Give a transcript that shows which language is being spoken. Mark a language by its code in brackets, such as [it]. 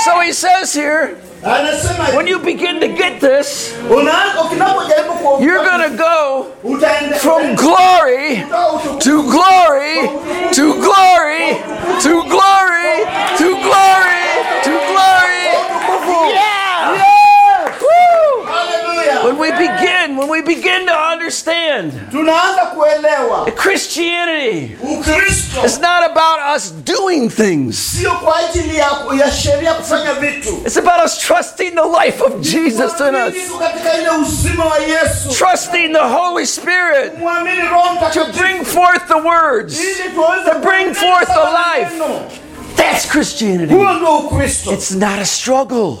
[en] So he says here, when you begin to get this, you're going to go from glory to glory to glory to glory to glory to glory. Yeah! Woo! Hallelujah! When we begin, when we begin to understand, [sw] tunaanza kuelewa, [en] Christianity [sw] Ukristo [en] is not about us doing things. [sw] Sio kwa ajili ya sheria kufanya vitu. [en] It's about us trusting the life of Jesus in us. Trusting the Holy Spirit to bring forth the words, to bring forth the life. That's Christianity. It's not a struggle.